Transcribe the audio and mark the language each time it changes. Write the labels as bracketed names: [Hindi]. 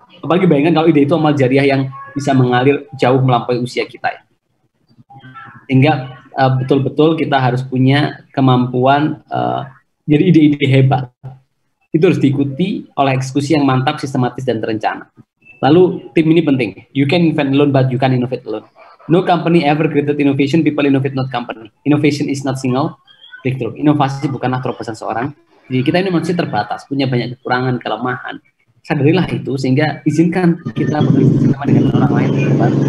[Indonesian] Apalagi bayangkan kalau ide itu amal jariah yang bisa mengalir jauh melampaui usia kita ya. Sehingga betul-betul kita harus punya kemampuan jadi ide-ide hebat. Itu harus diikuti oleh eksekusi yang mantap, sistematis, dan terencana. Lalu tim ini penting. [English] You can invent alone, but you can't innovate alone. No company ever created innovation, people innovate not company. Innovation is not single breakthrough. [Indonesian] Inovasi bukanlah terobosan seorang. Jadi kita ini manusia terbatas, punya banyak kekurangan, kelemahan. Sadarilah itu, sehingga izinkan kita bekerja sama dengan orang lain kita.